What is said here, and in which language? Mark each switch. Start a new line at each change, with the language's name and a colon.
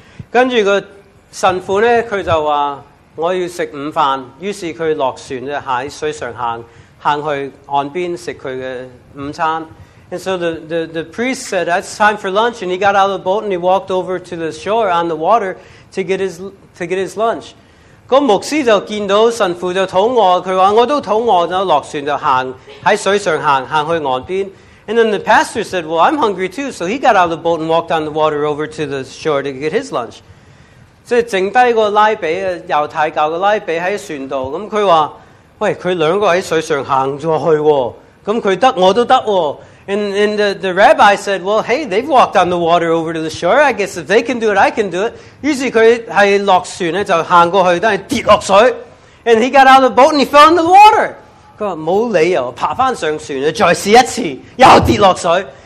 Cantonese: 跟住个神父咧，佢就话我要食午饭，于是佢落船咧喺水上行。行去岸边食佢嘅午餐
English: ，and so the priest said that's time for lunch, and he got out of the boat and he walked over to the shore on the water to get his lunch.
Cantonese: 个牧师就见到神父就肚饿，佢话我都肚饿，就落船就行喺水上行，行去岸边。
English: And then the pastor said, well, I'm hungry too, so he got out of the boat and walked on the water over to the shore to get his lunch.
Cantonese: 即系剩低个拉比啊，犹太教嘅拉比喺船度，咁佢话。喂，佢两个喺水上行咗去，咁佢得我都得。
English: And the rabbi said, well, hey, they've walked on the water over to the shore. I guess if they can do it, I can do it.
Cantonese: 于是佢系落船咧就行过去，但系跌落水。
English: And he got out of the boat and he fell in the water.
Cantonese: 佢话冇理由爬翻上船，再试一次，又跌落水。